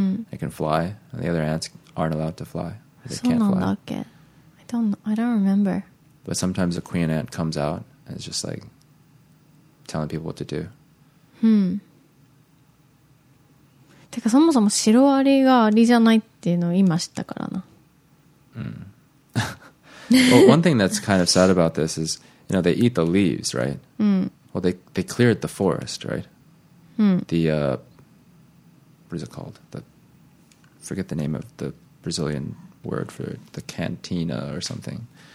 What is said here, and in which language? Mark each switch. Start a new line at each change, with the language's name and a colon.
English: It can fly, and the other ants aren't allowed to fly. They can't fly.
Japanese: そうなんだっけ?
English: I don't remember. But sometimes a queen ant comes out and is just like telling people what to do.
Japanese: てかそもそもシロアリがアリじゃないっていうのを今知ったからな。
English: Well, one thing that's kind of sad about this is, you know, they eat the leaves, right? Well, they cleared the forest, right? What is it called? Forget the name of the Brazilian word for the cantina or something.